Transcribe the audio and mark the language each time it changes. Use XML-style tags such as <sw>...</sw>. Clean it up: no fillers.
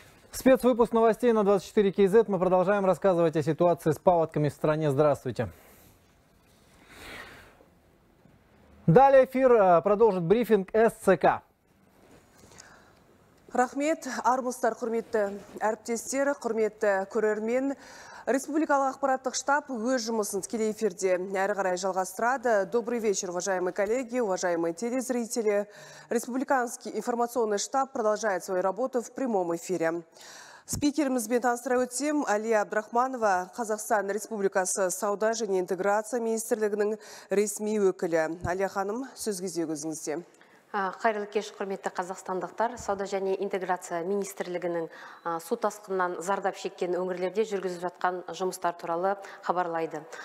<ru>Спецвыпуск новостей на 24KZ. Мы продолжаем рассказывать о ситуации с паводками в стране. Здравствуйте. Далее эфир продолжит брифинг СЦК.</ru> <kk>Рахмет, армыстар, құрметті әріптестер, құрметті көрермен. Республикалық ақпараттық штаб өз жұмысын тікелей эфирде әрі қарай жалғастырады.</kk> <ru>Добрый вечер, уважаемые коллеги, уважаемые телезрители. Республиканский информационный штаб продолжает свою работу в прямом эфире.</ru> <kk>Спикерімізбен таныстыра өтсем, Алия Абдрахманова, Қазақстан Республикасы сауда және интеграция министрлігінің ресми өкілі. Алия ханым, сөз кезегі өзіңізде. Қайырлы кеш, құрметті қазақстандықтар. Сауда және интеграция министрлігінің су тасқынан зардап шеккен өңірлерде жүргізіп жатқан жұмыстар туралы хабарлайды.</kk>